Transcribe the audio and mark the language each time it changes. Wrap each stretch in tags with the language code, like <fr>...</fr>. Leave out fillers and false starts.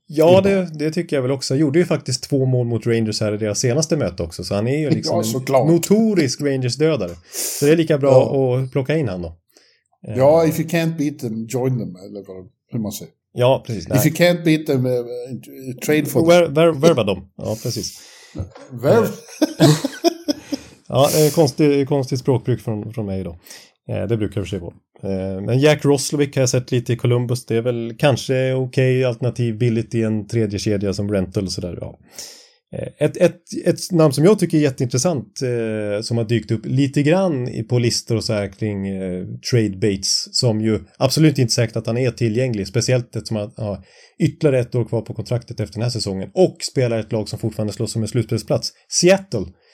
<sv>Ja, det tycker jag väl också. Han gjorde ju faktiskt 2 mål mot Rangers här i deras senaste möte också. Så han är ju liksom en notorisk Rangers-dödare. Så det är lika bra att plocka in han då.</sv> <en>Ja, if you can't beat them, join them.</en> <sv>Eller vad, hur man säger. Ja, precis.</sv> <en>If you can't beat them, trade for</en> <sv>them. Värva dem. Ja, precis. Ja, konstigt språkbruk från mig då. Det brukar jag försöka på. Men Jack Roslovic har jag sett lite i Columbus. Det är väl kanske okej alternativ, billigt i en tredje kedja som rental och sådär. Ja. Ett namn som jag tycker är jätteintressant som har dykt upp lite grann på listor och så här kring trade baits, som ju absolut inte säkert att han är tillgänglig, speciellt eftersom han har ytterligare ett år kvar på kontraktet efter den här säsongen och spelar ett lag som fortfarande slåss om en slutspelsplats, Seattle.</sv>